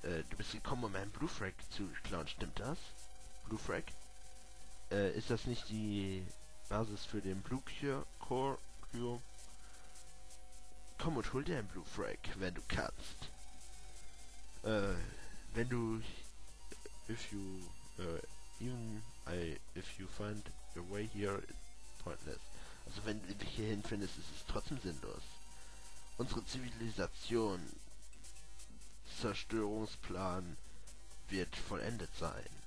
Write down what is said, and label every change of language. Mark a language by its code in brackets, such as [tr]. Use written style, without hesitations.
[de] Du bist gekommen, um einen Blue Frag zu klauen, stimmt das? Blue Frag? Ist das nicht die Basis für den Blue Core Cure? Komm und hol dir einen Blue Frag, wenn du kannst. [en] If you find your way here, it's pointless. [de] Also wenn du dich hierhin findest, ist es trotzdem sinnlos. Unsere Zivilisation Zerstörungsplan wird vollendet sein.